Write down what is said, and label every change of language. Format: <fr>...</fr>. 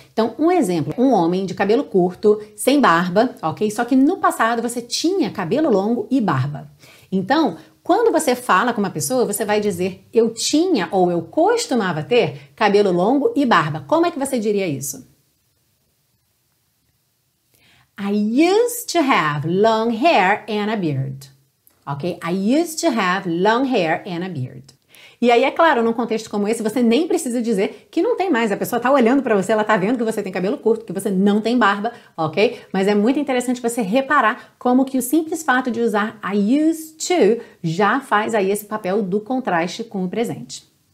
<pt>Então, um exemplo, um homem de cabelo curto, sem barba, ok? Só que no passado você tinha cabelo longo e barba. Então, quando você fala com uma pessoa, você vai dizer eu tinha ou eu costumava ter cabelo longo e barba. Como é que você diria isso?</pt> <en>I used to have long hair and a beard. Ok? I used to have long hair and a beard.</en> <pt>E aí, é claro, num contexto como esse, você nem precisa dizer que não tem mais. A pessoa tá olhando para você, ela tá vendo que você tem cabelo curto, que você não tem barba, ok? Mas é muito interessante você reparar como que o simples fato de usar</pt> <en>I used to</en> <pt>já faz aí esse papel do contraste com o presente.</pt>